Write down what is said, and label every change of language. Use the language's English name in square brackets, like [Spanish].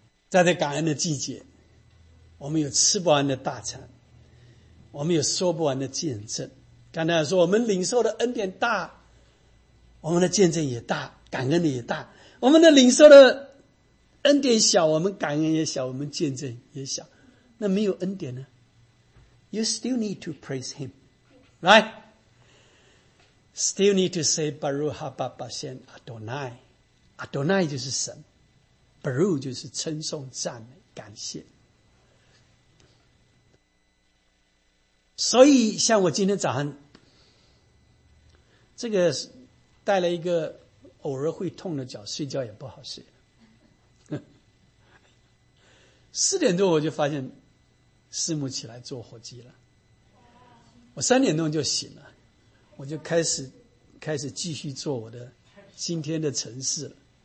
[Chinese] 在这感恩的季节，我们有吃不完的大餐，我们有说不完的见证。刚才说我们领受的恩典大，我们的见证也大，感恩的也大。我们的领受的恩典小，我们感恩也小，我们见证也小，那没有恩典呢？ [English] You still need to praise him， right？ Still need to say Baruch Haba Bashen Adonai。 [Chinese] Adonai 就是神， Baruch 就是称颂赞美感谢。所以像我今天早上这个带了一个偶尔会痛的脚，睡觉也不好睡，四点钟我就发现师母起来坐火机了，我三点钟就醒了，我就开始继续做我的今天的程式了。